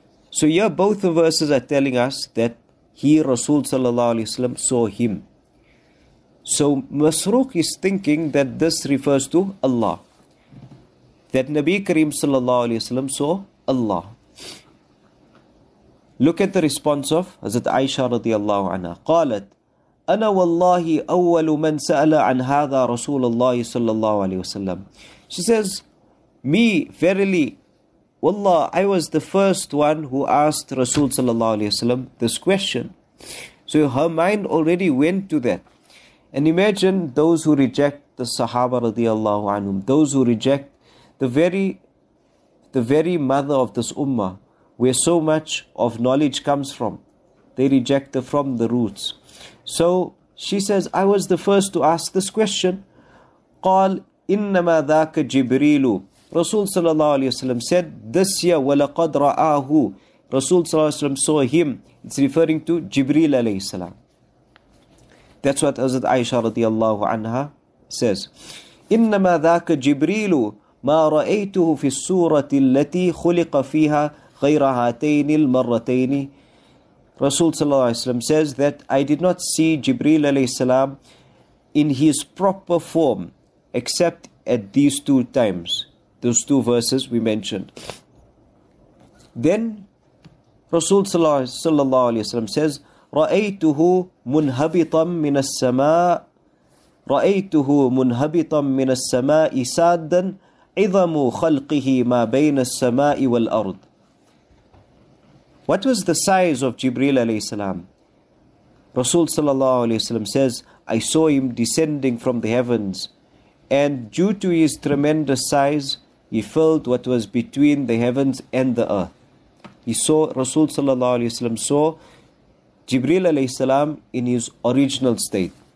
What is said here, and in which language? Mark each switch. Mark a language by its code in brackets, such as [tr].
[en] So here both the verses are telling us that he, Rasul sallallahu alayhi wasallam, saw him. So Masrook is thinking that this refers to Allah. That Nabi Kareem sallallahu alayhi wa sallam saw Allah. Look at the response of Hazrat Aisha radiallahu anha. [ar] قالت, أنا والله أول من سأل عن هذا رسول الله صلى الله عليه وسلم. [en] She says, me, verily, والله, I was the first one who asked Rasul sallallahu alayhi wa sallam this question. So her mind already went to that. And imagine those who reject the Sahaba radiallahu anhum, those who reject the very mother of this ummah, where so much of knowledge comes from. They reject her from the roots. So She says, I was the first to ask this question. [ar] قال إنما ذاك جبريل. [en] Rasul sallallahu alayhi wasallam said, this year [ar] وَلَقَدْ رَآهُ. [en] Rasul sallallahu alayhi wasallam saw him. It's referring to Jibreel alayhi salam. That's what Hazrat Aisha radiallahu anha says. [ar] إنما ذاك جبريل ما رأيته في السورة التي خلق فيها غير هاتين المرتين. [en] Rasul sallallahu alayhi wasallam says that I did not see Jibreel alayhi salam in his proper form except at these two times, those two verses we mentioned. Then Rasul sallallahu alayhi wasallam says, [ar] رَأَيْتُهُ مُنْهَبِطًا مِنَ السَّمَاءِ رأيته منهبطا من السماء سادا عظم خلقه ما بين السماء والأرض. [en] What was the size of Jibreel alayhi salam? Rasul sallallahu alayhi wasallam says, I saw him descending from the heavens, and due to his tremendous size, he filled what was between the heavens and the earth. Rasul sallallahu alayhi wasallam saw Jibreel alayhi salam in his original state.